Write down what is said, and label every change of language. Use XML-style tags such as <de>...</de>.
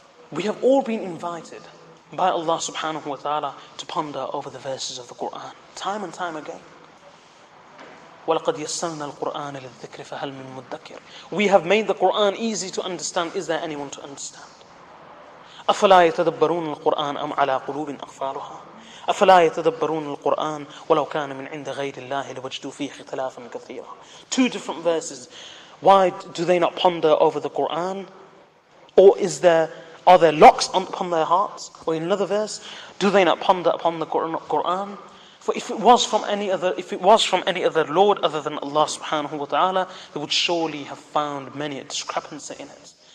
<en>We have all been invited by Allah subhanahu wa ta'ala to ponder over the verses of the Quran time and time again.</en> <ar>وَلَقَدْ يَسَّلْنَا الْقُرْآنَ لِلذِّكْرِ فَهَلْ مِنْ مُدَّكِرِ,</ar> <en>we have made the Quran easy to understand. Is there anyone to understand?</en> <ar>أفلا يتدبرون القرآن أم على قلوب أقفالها أفلا يتدبرون القرآن ولو كان من عند غير الله لوجدوا فيه اختلافا كثيرا.</ar> <en>Two different verses. Why do they not ponder over the Quran? Or is there, are there locks upon their hearts? Or in another verse, do they not ponder upon the Quran? For if it was from any other, if it was from any other Lord other than Allah subhanahu wa ta'ala, they would surely have found many a discrepancy in it.</en>